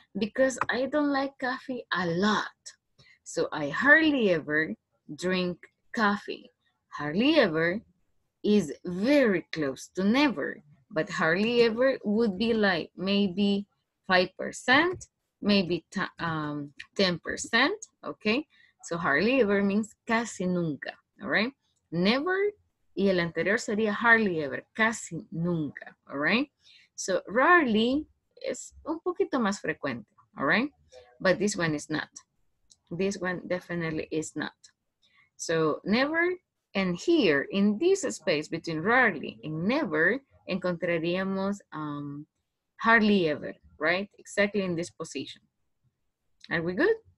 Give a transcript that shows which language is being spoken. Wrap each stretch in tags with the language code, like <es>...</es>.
<en>Because I don't like coffee a lot. So I hardly ever drink coffee. Hardly ever is very close to never, but hardly ever would be like maybe 5%, maybe 10%, okay? So hardly ever means</en> <es>casi nunca,</es> <en>all right? Never.</en> <es>Y el anterior sería</es> <en>hardly ever,</en> <es>casi nunca, all right?</es> <en>So rarely</en> <es>es un poquito más frecuente, all right?</es> <en>But this one is not. This one definitely is not. So never and here, in this space between rarely and never,</en> <es>encontraríamos</es> <en>hardly ever, right? Exactly in this position. Are we good?</en>